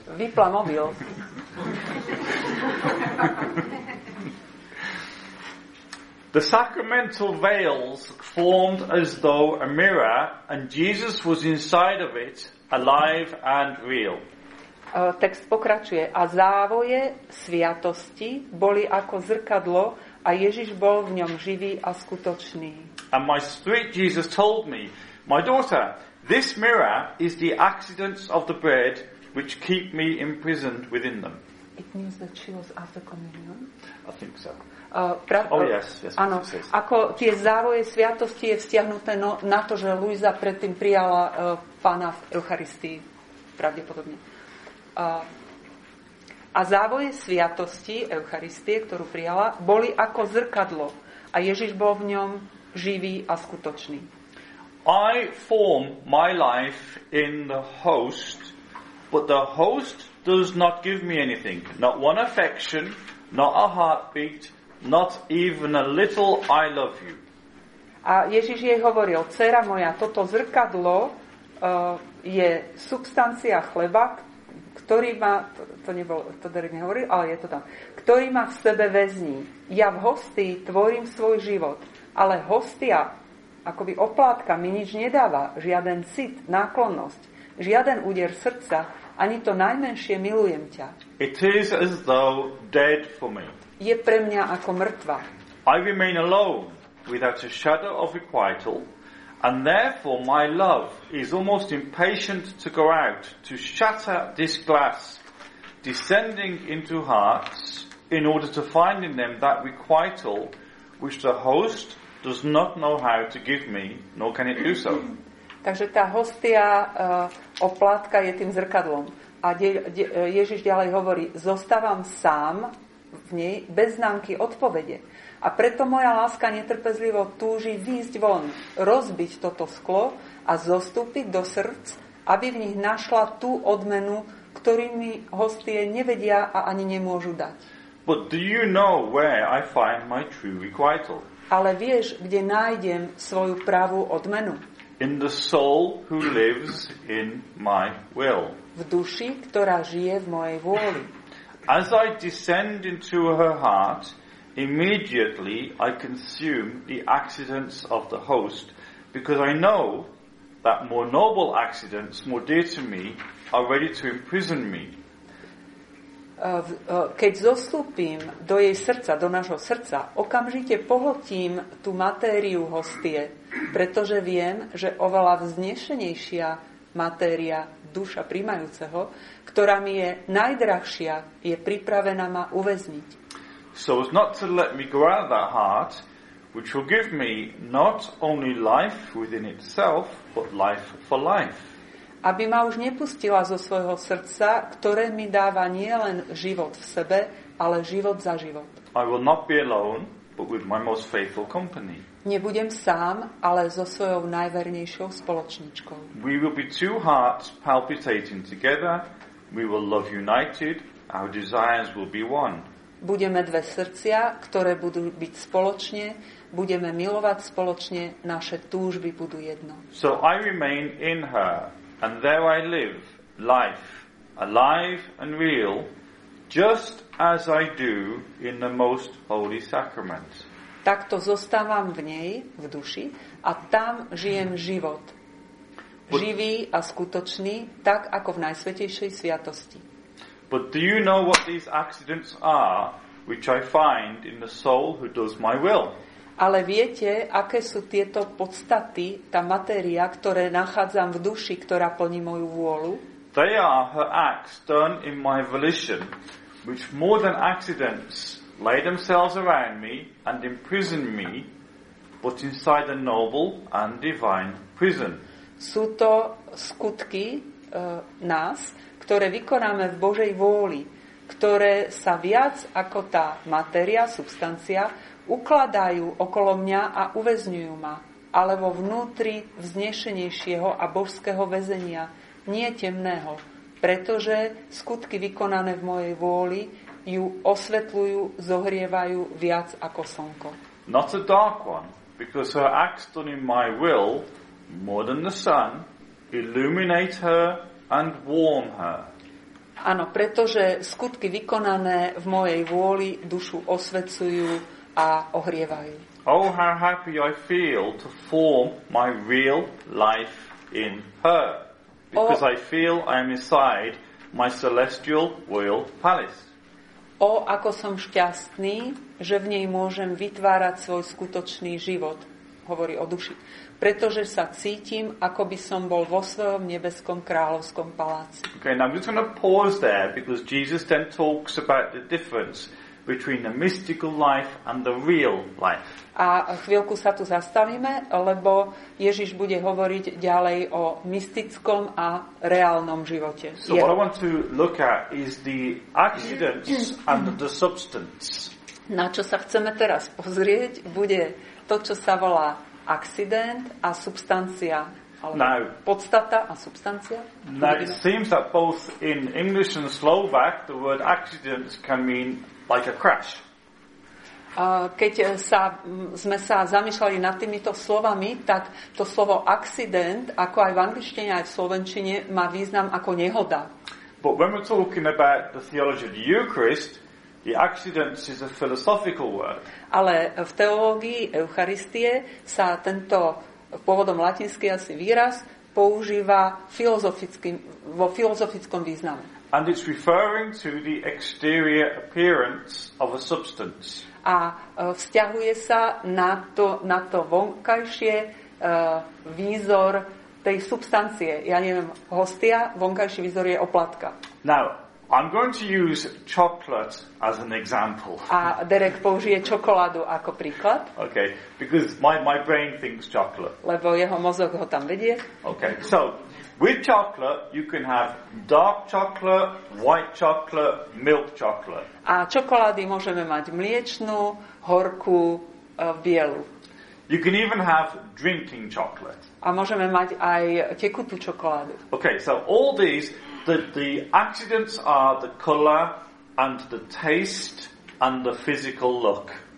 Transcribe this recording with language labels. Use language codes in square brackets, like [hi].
[sk] Vypla mobil. [en] Okay. The sacramental veils formed as though a mirror, and Jesus was inside of it, alive and real. [sk] Text pokračuje. A závoje sviatosti boli ako zrkadlo a Ježiš bol v ňom živý a skutočný. [en] And my spirit Jesus told me, my daughter, this mirror is the accidents of the bread which keep me imprisoned within them. It means that she was after communion. I think so. [sk] Áno, ako tie závoje sviatosti je vzťahnuté na to, že Luisa predtým prijala pána v Eucharistii, pravdepodobne. A závoje sviatosti Eucharistie, ktorú prijala, boli ako zrkadlo a Ježiš bol v ňom živý a skutočný. [en] I form my life in the host, but the host does not give me anything, not one affection, not a heartbeat, not even a little I love you. [sk] A Ježiš jej hovoril, dcera moja, toto zrkadlo je substancia chleba, ktorý ma, ktorý ma v sebe väzní. Ja v hosti tvorím svoj život, ale hostia, akoby oplátka, mi nič nedáva, žiaden cit, náklonnosť, žiaden úder srdca, ani to najmenšie milujem ťa. [en] It is as though dead for me. [sk] Je pre mňa ako mŕtva. [en] I remain alone without a shadow of requital, and therefore my love is almost impatient to go out, to shatter this glass, descending into hearts, in order to find in them that requital which the host does not know how to give me, nor can it do so. [sk] Takže tá hostia oplátka je tým zrkadlom. A Ježiš ďalej hovorí, zostávam sám v nej bez známky odpovede. A preto moja láska netrpezlivo túži výjsť von, rozbiť toto sklo a zostúpiť do srdc, aby v nich našla tú odmenu, ktorú mi hostie nevedia a ani nemôžu dať. [en] But do you know where I find my true requital? [sk] Ale vieš, kde nájdem svoju pravú odmenu? [en] In the soul who lives in my will. [sk] V duši, ktorá žije v mojej vôli. [en] As I descend into her heart, immediately I consume the accidents of the host, because I know that more noble accidents, more dear to me, are ready to imprison me. [sk] Keď zostúpim do jej srdca, do nášho srdca, okamžite pohltím tú matériu hostie, pretože viem, že oveľa vznešenejšia matéria duša príjmajúceho, ktorá mi je najdrahšia, je pripravená ma uväzniť. [en] So as not to let me go out of that heart, which will give me not only life within itself, but life for life. [sk] Aby ma už nepustila zo svojho srdca, ktoré mi dáva nielen život v sebe, ale život za život. [en] I will not be alone, but with my most faithful company. [sk] Nebudem sám, ale so svojou najvernejšou spoločničkou. [en] We will be two hearts palpitating together. We will love united. Our desires will be one. [sk] Budeme dve srdcia, ktoré budú byť spoločne. Budeme milovať spoločne. Naše túžby budú jedno. [en] So I remain in her, and there I live, life, alive and real, just as I do in the most holy sacrament. [sk] Takto zostávam v nej, v duši, a tam žijem život. Živý a skutočný, tak ako v najsvätejšej sviatosti. [en] But do you know what these accidents are, which I find in the soul who does my will? [sk] Ale viete, aké sú tieto podstaty, tá matéria, ktoré nachádzam v duši, ktorá plní moju vôľu? [en] They are her acts done in my volition, which more than accidents lay themselves around me and imprison me, but inside a noble and divine prison. [sk] Sú to skutky nás, ktoré vykonáme v Božej vôli, ktoré sa viac ako tá matéria, substancia, ukladajú okolo mňa a uväzňujú ma, ale vo vnútri vznešenejšieho a božského väzenia, nie temného, pretože skutky vykonané v mojej vôli ju osvetľujú, zohrievajú viac ako slnko. [en] Not a dark one, because her acts done in my will, more than the sun, illuminate her and warm her. [sk] Áno, pretože skutky vykonané v mojej vôli dušu osvecujú a ohrievajú. [en] Oh, how happy I feel to form my real life in her, because I feel I am inside my celestial royal palace. [sk] O, ako som šťastný, že v nej môžem vytvárať svoj skutočný život, hovorí o duši. Pretože sa cítim, ako by som bol vo svojom nebeskom kráľovskom paláci. [en] Okay, now I'm just going to pause there, because Jesus then talks about the difference between the mystical life and the real life. [sk] A chvíľku sa tu zastavíme, lebo Ježiš bude hovoriť ďalej o mystickom a reálnom živote. [en] So what I want to look at is the accidents and the substance. [sk] Na čo sa chceme teraz pozrieť, bude to, čo sa volá accident a substancia, alebo [en] now, [sk] podstata a substancia. [en] Now, it seems that both in English and Slovak, the word accidents can mean like a crash. [sk] Keď sme sa zamýšľali nad týmito slovami, tak to slovo accident, ako aj v angličtine, aj v slovenčine, má význam ako nehoda. [en] But when we're talking about the theology of the Eucharist, the accidents is a philosophical word. [sk] Ale v teológii Eucharistie sa tento pôvodom latinský asi výraz používa vo filozofickom význame. And it's referring to the exterior appearance of a substance. A vzťahuje sa na to vonkajšie výzor tej substancie. Ja neviem, hostia, vonkajší výzor je oplatka. [en] Now, I'm going to use chocolate as an example. [sk] A Derek použije čokoládu ako príklad. [en] Okay, because my brain thinks chocolate. [sk] Lebo jeho mozog ho tam vedie. [en] Okay, so with chocolate, you can have dark chocolate, white chocolate, milk chocolate. [sk] A čokolády môžeme mať mliečnú, horkú, bielu. [en] You can even have drinking chocolate. [sk] A môžeme mať aj tekutú čokoládu. [en] Okay, so all these, the accidents are the color and the taste and the physical look.